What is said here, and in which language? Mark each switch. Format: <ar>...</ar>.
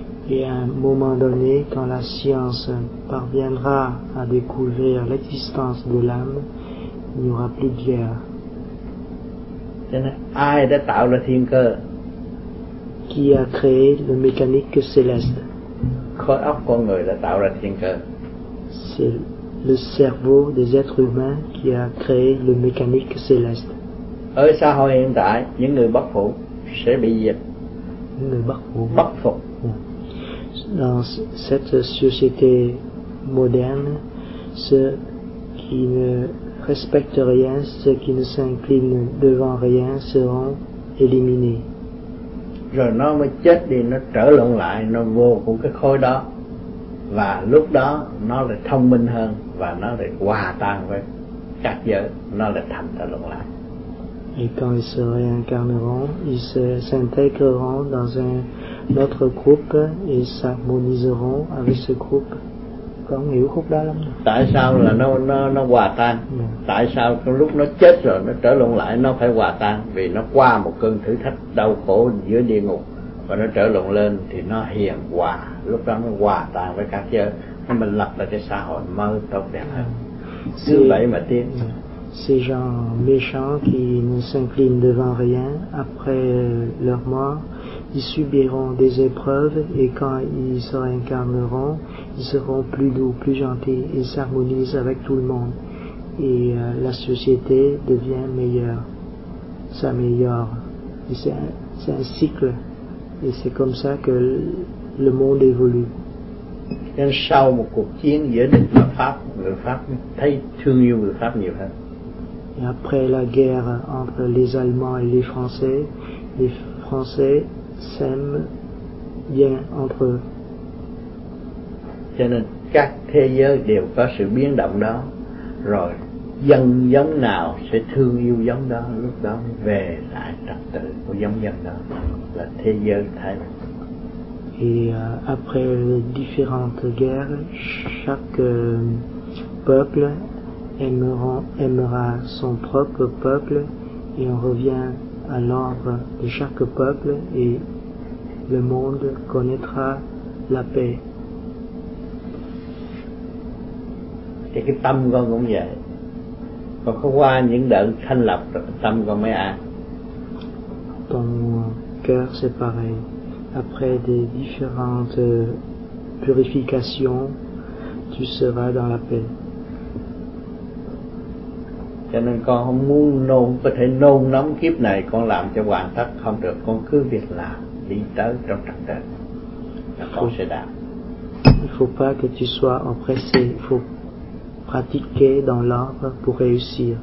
<fr>Et à un moment donné, quand la science parviendra à découvrir l'existence de l'âme, il n'y aura plus de guerre.</fr> <vi>Ai đã tạo ra thiên cơ?</vi> <fr>Qui a créé le mécanique céleste?</fr> <vi>Khối óc con người đã tạo ra thiên cơ.</vi> <fr>C'est le cerveau des êtres humains qui a créé le mécanique céleste.</fr> <vi>Ở xã hội hiện tại, những người bất phụ sẽ bị diệt. Những người bất phụ. Bất phụ.</vi> <fr>Dans cette société moderne, ceux qui ne respectent rien, ceux qui ne s'inclinent devant rien seront éliminés.</fr> <vi>Rồi nó mới chết đi, nó trở lộn lại, nó vô cùng cái khối đó. Và lúc đó nó lại thông minh hơn và nó lại hòa tan với các giới, nó lại thành trở lộn lại.</vi> <fr>Et quand ils se réincarneront, ils s'intégreront dans un notre groupe et s'harmoniseront avec ce groupe.</fr> <vi>Con hiểu khúc đó lắm. Tại sao là nó hòa tan? Yeah. Tại sao lúc nó chết rồi nó trở lộn lại, nó phải hòa tan? Vì nó qua một cơn thử thách đau khổ giữa địa ngục và nó trở lộn lên thì nó hiền hòa, lúc đó nó hòa tan với các giới, nó mình lập lại cái xã hội mới tốt đẹp hơn. Như vậy mà tiến.</vi> <fr>Ces gens méchants qui ne s'inclinent devant rien, après leur mort, ils subiront des épreuves et quand ils se réincarneront, ils seront plus doux, plus gentils, ils s'harmonisent avec tout le monde et la société devient meilleure, s'améliore. Et c'est un cycle, et c'est comme ça que le monde évolue.</fr> <vi>Nên sau một cuộc chiến giữa địch và Pháp, người Pháp thấy thương yêu người Pháp nhiều hơn.</vi> <fr>Et après la guerre entre les Allemands et les Français s'aiment bien entre eux.</fr> <vi>Cho nên các thế giới đều có sự biến động đó, rồi dân giống nào sẽ thương yêu giống đó, lúc đó về lại trật tự của giống dân đó, là thế giới thay đổi.</vi> <fr>Et après les différentes guerres, chaque peuple aimera son propre peuple, et on revient à l'ordre de chaque peuple, et le monde connaîtra la paix.</fr> <vi>Et cái tâm con cũng vậy. Còn có qua những đợt thanh lập rồi tâm con mới an.</vi> <fr>Ton cœur c'est pareil. Après des différentes purifications, tu seras dans la paix.</fr> <vi>Cho nên con không muốn nôn, có thể nôn nóng kiếp này con làm cho hoàn tất không được, con cứ việc làm đi tới trong trật tự, là con sẽ đạt.</vi> <fr>Il faut pas que tu sois oppressé, il faut pratiquer dans l'ordre pour réussir.</fr>